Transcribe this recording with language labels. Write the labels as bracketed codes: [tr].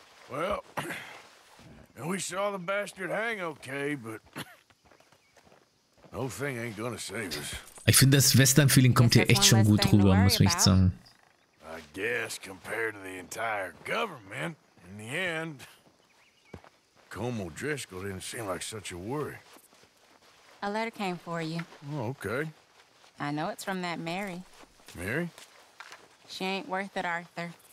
[en] Well, we saw the bastard hang okay, but no thing ain't gonna save us. [de] Ich finde, das Western-Feeling kommt hier echt schon gut rüber, muss ich sagen. [en] I guess compared to the entire government, in the end, Como Driscoll didn't seem like such a worry. A letter came for you. Oh, okay. I know it's from that Mary. Mary? She ain't worth it, Arthur.